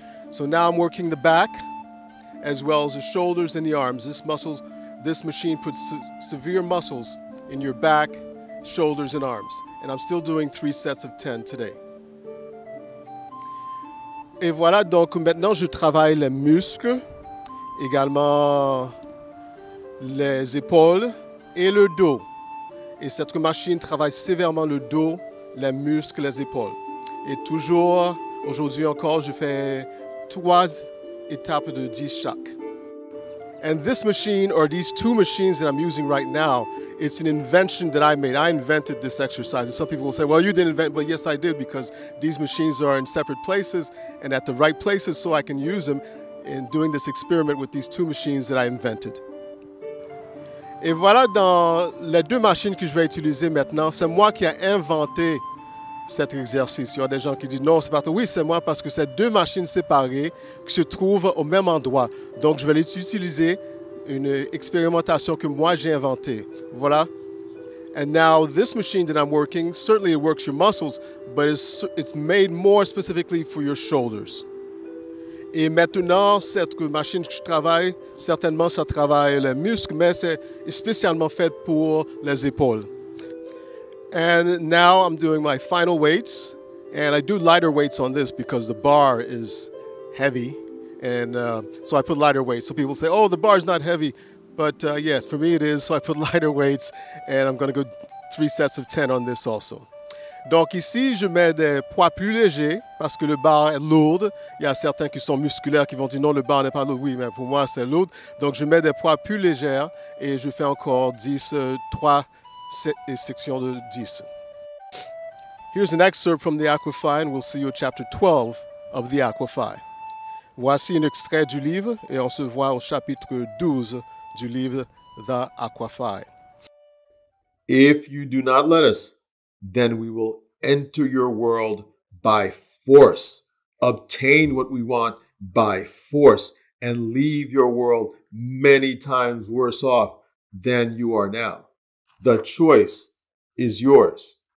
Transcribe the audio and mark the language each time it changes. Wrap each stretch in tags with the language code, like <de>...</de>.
<en>So now I'm working the back as well as the shoulders and the arms. This machine puts severe muscles in your back, shoulders and arms. And I'm still doing 3 sets of 10 today.</en> <fr>Et voilà, donc maintenant je travaille les muscles, également les épaules et le dos. Et cette machine travaille sévèrement le dos, les muscles, les épaules. Et toujours, aujourd'hui encore, je fais 3 étapes de 10 chaque.</fr> <en>And this machine, or these 2 machines that I'm using right now, it's an invention that I made. I invented this exercise. And some people will say, well, you didn't invent, but yes, I did, because these machines are in separate places and at the right places so I can use them in doing this experiment with these 2 machines that I invented.</en> <fr>Et voilà, dans les 2 machines que je vais utiliser maintenant, c'est moi qui ai inventé cet exercice. Il y a des gens qui disent non, c'est pas toi. Oui, c'est moi, parce que c'est 2 machines séparées qui se trouvent au même endroit. Donc, je vais les utiliser, une expérimentation que moi j'ai inventée. Voilà.</fr> <en>And now, this machine that I'm working, certainly it works your muscles, but it's made more specifically for your shoulders.</en> <fr>Et maintenant, cette machine que je travaille, certainement ça travaille les muscles, mais c'est spécialement fait pour les épaules.</fr> <en>And now I'm doing my final weights, and I do lighter weights on this because the bar is heavy, and so I put lighter weights. So people say, oh, the bar is not heavy, but yes, for me it is, so I put lighter weights, and I'm going to go 3 sets of 10 on this also.</en> <fr>Donc ici, je mets des poids plus légers parce que le bar est lourd. Il y a certains qui sont musculaires qui vont dire non, le bar n'est pas lourd. Oui, mais pour moi, c'est lourd. Donc je mets des poids plus légers et je fais encore 10, 3 sections de 10.</fr> <en>Here's an excerpt from the Aquify, and we'll see you at chapter 12 of the Aquify.</en> <fr>Voici un extrait du livre et on se voit au chapitre 12 du livre The Aquify.</fr> <en>If you do not let us, then we will enter your world by force, obtain what we want by force, and leave your world many times worse off than you are now. The choice is yours.</en>